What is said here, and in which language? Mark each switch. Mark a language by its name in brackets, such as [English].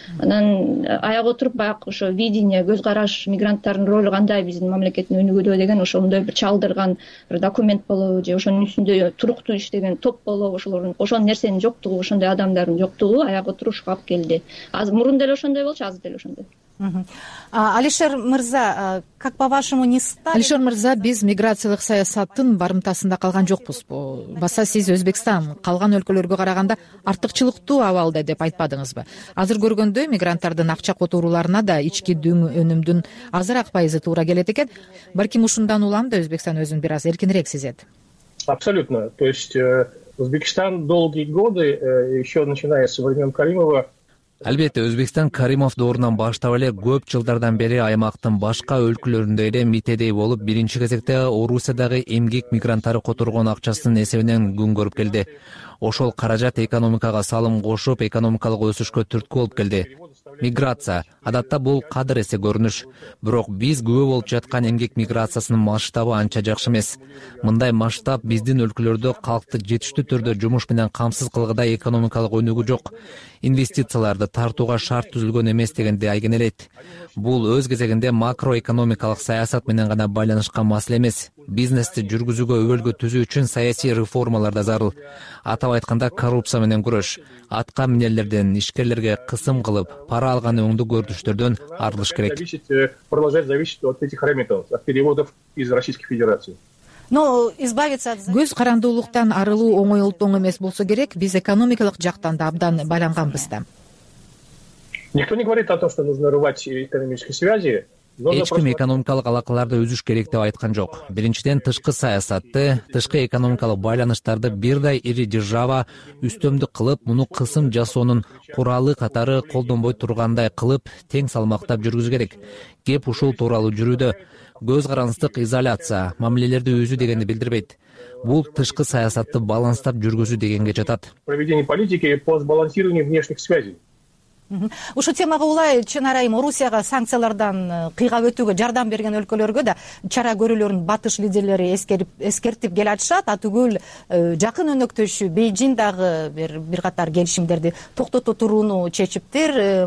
[Kyrgyz] Анан аяк отуруп баягы ошо видение, көз караш, мигранттардын ролу кандай биздин мамлекеттин өнүгүүдө деген ошондой бир чалдырган бир документ болобу, же ошонун үстүндө туруктуу иштеген топ болобу, ошол нерсенин жоктугу, ошондой адамдардын жоктугу аяк отурушка алып келди. Азыр мурун деле ошондой болчу, азыр деле ошондой. [Russian] Алишер мырза, как по вашему не стали? [Kyrgyz] Алишер мырза, биз миграциялык саясаттын барымтасында калган жокпузбу? Баса сиз Өзбекстан калган өлкөлөргө караганда артыкчылыктуу абалда деп айтпадыңызбы? Азыр көргөндөй мигранттардын акча которууларына да ички дүң өнүмдүн азыраак пайызы туура келет экен. Балким ушундан улам да Өзбекстан өзүн бир аз эркинирээк сезет. [Russian] Абсолютно. То есть Өзбекстан долгие годы, еще начиная со времен Каримова. [Kyrgyz] Албетте, Өзбекстан Каримов доорунан баштап эле көп жылдардан бери аймактын башка өлкөлөрүндө эле митедей болуп, биринчи кезекте Орусиядагы эмгек мигранттары которгон акчасынын эсебинен күн көрүп келди. Ошол каражат экономикага салым кошуп, экономикалык өсүшкө түрткү болуп келди. Миграция адатта бул кадыр эсе көрүнүш, бирок биз күбө болуп жаткан эмгек миграциясынын масштабы анча жакшы эмес. Мындай масштаб биздин өлкөлөрдө калкты жетиштүү түрдө жумуш менен камсыз кылгыдай экономикалык өнүгүү жок. Инвестицияларды тартууга шарт түзүлгөн эмес дегенди айгинелейт. Бул өз кезегинде макроэкономикалык саясат менен гана байланышкан маселе эмес. бизнести жүргүзүүгө өбөлгө түзүү үчүн саясий реформалар да зарыл. Атап айтканда, коррупция менен күрөш, атка минерлерден ишкерлерге кысым кылып, пара алган өңдүү көрүнүштөрдөн арылыш керек. [Russian] Продолжать зависеть от этих ремитов, от переводов из Российской Федерации. [Kyrgyz] Көз карандуулуктан арылуу оңой олтоң эмес болсо керек, биз экономикалык жактан да абдан байланганбыз да. [Russian] Никто не говорит о том, что нужно рвать экономические связи. [Kyrgyz] Эч ким экономикалык алакаларды үзүш керек деп айткан жок. Биринчиден, тышкы саясатты, тышкы экономикалык байланыштарды бир дай ири держава үстөмдүк кылып, муну кысым жасоонун куралы катары колдонбой тургандай кылып, тең салмактап жүргүзүү керек. Кеп ушул тууралуу жүрүүдө. Көз карандык изоляция, мамилелерди үзүү дегенди билдирбейт. Бул тышкы саясатты баланстап жүргүзүү дегенге жатат. [Russian] Проведение политики по сбалансированию внешних связей. [Kyrgyz] Ушу темага улай, чын арайым, Орусияга санкциялардан кыйгап өтүүгө жардам берген өлкөлөргө да чара көрүүлөрүн батыш лидерлери эскертип келатышат. Атүгүл жакын өнөктөшү Бейжин дагы бир катар келишимдерди токтото турууну чечиптир.